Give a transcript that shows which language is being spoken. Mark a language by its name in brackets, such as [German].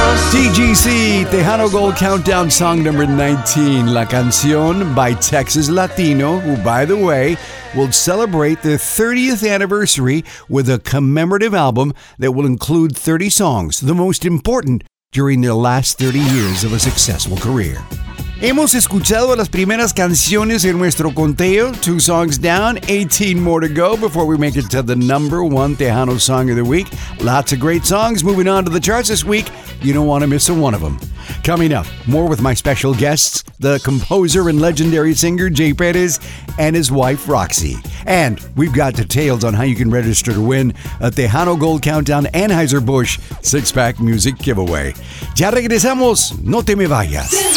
[English] TGC, Tejano Gold Countdown Song Number 19, [Spanish] la canción [English] by Texas Latino, who, by the way, will celebrate their 30th anniversary with a commemorative album that will include 30 songs, the most important during their last 30 years of a successful career. [Spanish] Hemos escuchado las primeras canciones en nuestro conteo. [English] Two songs down, 18 more to go before we make it to the number one Tejano song of the week. Lots of great songs moving on to the charts this week. You don't want to miss a one of them. Coming up, more with my special guests, the composer and legendary singer Jay Perez and his wife Roxy. And we've got details on how you can register to win a Tejano Gold Countdown Anheuser-Busch six-pack music giveaway. [Spanish] Ya regresamos, no te me vayas.